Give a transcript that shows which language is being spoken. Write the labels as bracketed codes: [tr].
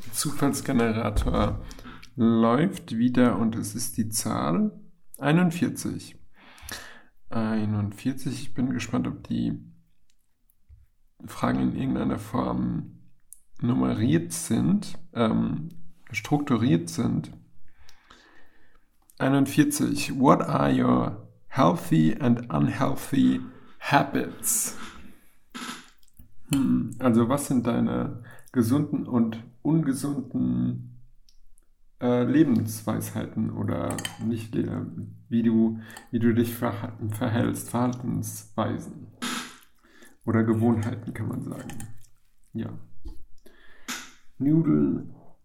[de] Zufallsgenerator läuft wieder und es ist die Zahl 41. 41, ich bin gespannt, ob die Fragen in irgendeiner Form nummeriert sind, strukturiert sind. 41. [en] What are your healthy and unhealthy habits? [de] Also was sind deine gesunden und ungesunden Lebensweisheiten oder nicht, wie du dich verhältst, Verhaltensweisen oder Gewohnheiten, kann man sagen. Ja. Nudeln.